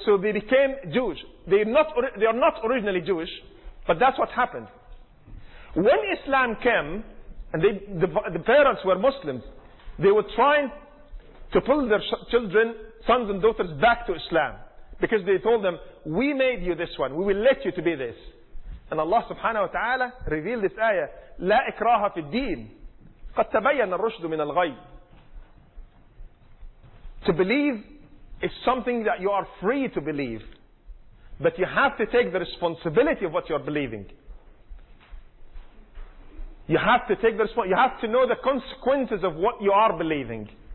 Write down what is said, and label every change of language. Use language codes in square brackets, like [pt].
[en] So they became Jewish. They are not originally Jewish, but that's what happened. When Islam came, and the parents were Muslims, they were trying to pull their children, sons and daughters, back to Islam. Because they told them, we made you this one, we will let you to be this. And Allah subhanahu wa ta'ala revealed this ayah, [ar] لا إكراه في الدين قد تبين الرشد من الغي. [en] To believe is something that you are free to believe, but you have to take the responsibility of what you are believing. You have to take the response. You have to know the consequences of what you are believing.